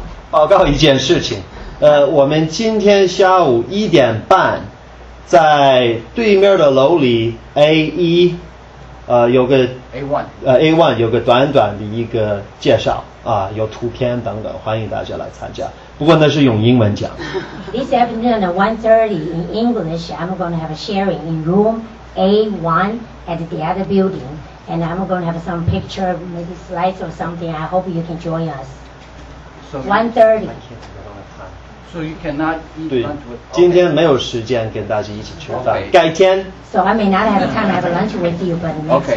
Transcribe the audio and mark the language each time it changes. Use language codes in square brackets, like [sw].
[zh] 报告一件事情，我们今天下午1:30，在对面的楼里 A1， 有个 [en] A1， [zh] A1 有个短短的一个介绍啊，有图片等等，欢迎大家来参加。不过那是用英文讲。 [en] This afternoon at 1:30 in English, I'm going to have a sharing in room A1 at the other building, and I'm going to have some picture, maybe slides or something. I hope you can join us. So 1:30. So you cannot eat lunch with. [zh] 今天没有时间跟大家一起吃饭。改天。 [en] So I may not have time to have lunch with you, but next